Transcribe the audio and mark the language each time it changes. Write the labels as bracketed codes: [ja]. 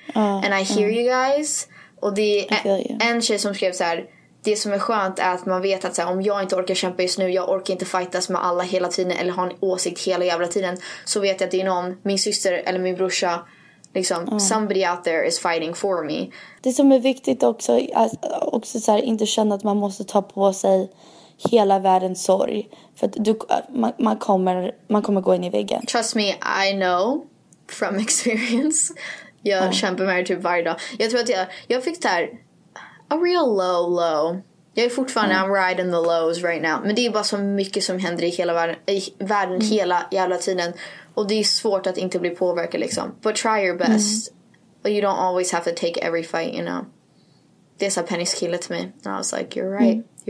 [en] And I hear you guys. [sv] Och det är en tjej som skrev så här, det som är skönt är att man vet att så här, om jag inte orkar kämpa just nu, jag orkar inte fightas med alla hela tiden eller ha en åsikt hela jävla tiden, så vet jag att det är någon, min syster eller min brorsa, liksom, [en] somebody out there is fighting for me. [sv] Det som är viktigt också är också så här, inte känna att man måste ta på sig hela världens sorg, för att man kommer gå in i väggen. [en] Trust me, I know from experience. [sv] Jag kämpar med det typ varje dag. Jag tror att jag fick det här, [en] a real low. [sv] Jag är fortfarande [en] I'm riding the lows right now. [sv] Men det är bara så mycket som händer i hela världen, hela jävla tiden. Och det är svårt att inte bli påverkad, liksom. [en] But try your best. You don't always have to take every fight, you know. [sv] Det sa Penny's killet till mig. [en] And I was like, you're right.